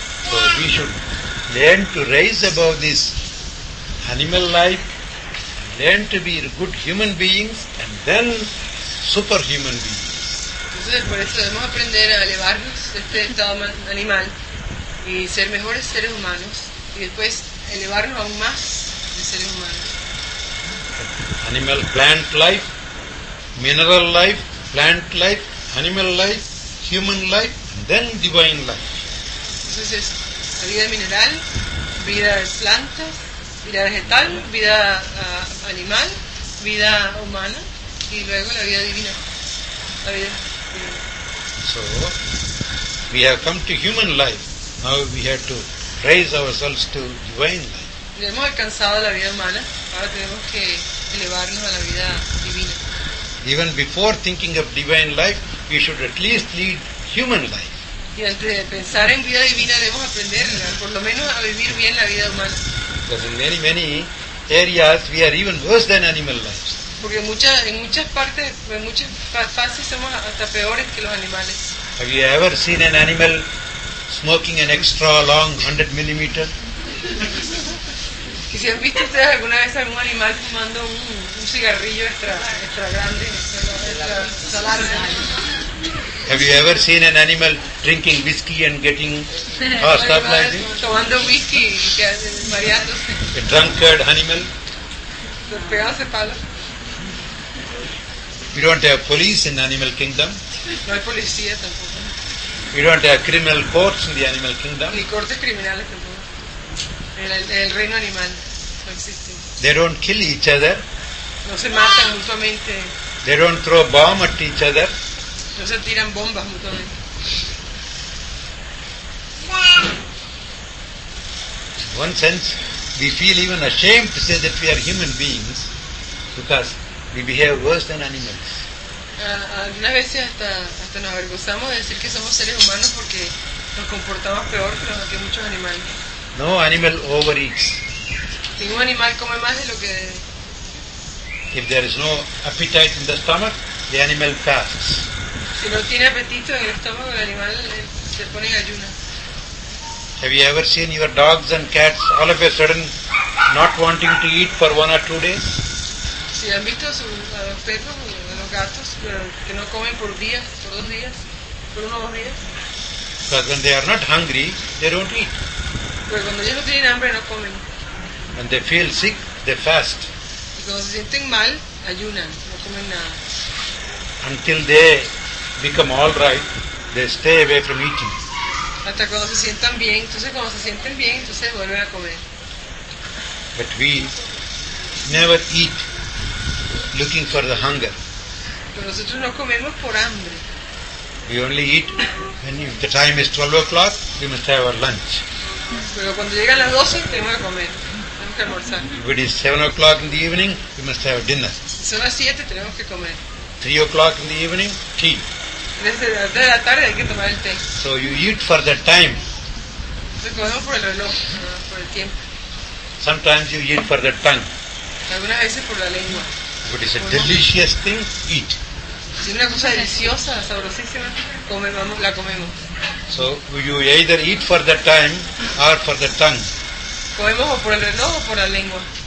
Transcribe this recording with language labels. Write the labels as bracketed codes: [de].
[en] So we should learn to raise above this animal life, learn to be good human beings, and then superhuman beings. [es] Entonces, por eso debemos aprender a elevarnos de este estado animal y ser mejores seres humanos y después elevarnos aún más de seres humanos. [en] Animal, plant life, mineral life, plant life, animal life, human life, then divine life. [es] Entonces es la vida mineral, vida de plantas, vida vegetal, vida animal, vida humana, y luego la vida divina, la vida divina. [en] So, we have come to human life, now we have to raise ourselves to divine life. [es] Ya hemos alcanzado la vida humana, ahora tenemos que elevarnos a la vida divina. [en] Even before thinking of divine life, we should at least lead human life. [es] Y antes de pensar en vida divina, debemos aprender, por lo menos, a vivir bien la vida humana. [en] Because in many, many areas, we are even worse than animal lives. [es] Porque en muchas fases, somos hasta peores que los animales. [en] Have you ever seen an animal smoking an extra long 100 millimeter? [es] ¿Y si han visto ustedes alguna vez algún animal fumando un cigarrillo extra grande, extra largo? [en] Have you ever seen an animal drinking whiskey and getting tossed up like this? [es] Tomando whisky y mareándose. [en] A drunkard animal. [es] Pegándose palo. [en] We don't have police in animal kingdom. [es] No hay policía tampoco. [en] We don't have criminal courts in the animal kingdom. [es] Ni cortes criminales tampoco. En el reino animal no existe. [en] They don't kill each other. [es] No se matan mutuamente. [en] They don't throw bomb at each other. [es] No se tiran bombas mutuamente. [en] In one sense, we feel even ashamed to say that we are human beings because we behave worse than animals. [es] Algunas veces hasta nos avergonzamos de decir que somos seres humanos porque nos comportamos peor que muchos animales. [en] No animal overeats. [es] Ningún animal come más de lo que. [en] If there is no appetite in the stomach, the animal fasts. [es] Si no tiene apetito en el estómago, el animal se pone en ayunas. [en] Have you ever seen your dogs and cats all of a sudden not wanting to eat for 1 or 2 days? [es] Si han visto a los perros, a los gatos, que no comen por días, por 2 días, por 1 o 2 días. [en] Because when they are not hungry, they don't eat. [es] Pero cuando ellos no tienen hambre, no comen. [en] When they feel sick, they fast. [es] Y cuando se sienten mal, ayunan, no comen nada. [en] Until they become all right, they stay away from eating. [es] Hasta cuando se sientan bien, entonces cuando se sienten bien, entonces vuelven a comer. [en] But we never eat looking for the hunger. [es] Pero nosotros no comemos por hambre. [en] We only eat when the time is 12 o'clock, we must have our lunch. [es] Pero cuando llegan las 12, tenemos que comer, tenemos que almorzar. [en] If it is 7 o'clock in the evening, we must have dinner. [es] Si son las 7, tenemos que comer. [en] 3 o'clock in the evening, tea. [es] Desde la tarde hay que tomar el té. [en] So you eat for the time. [es] Entonces comemos por el reloj, por el tiempo. [en] Sometimes you eat for the tongue. [es] Algunas veces por la lengua. [en] But it's a delicious thing, eat. [es] Si es una cosa deliciosa, sabrosísima, la comemos. [en] So you either eat for the time or for the tongue. [es] Comemos o por el reloj o por la lengua.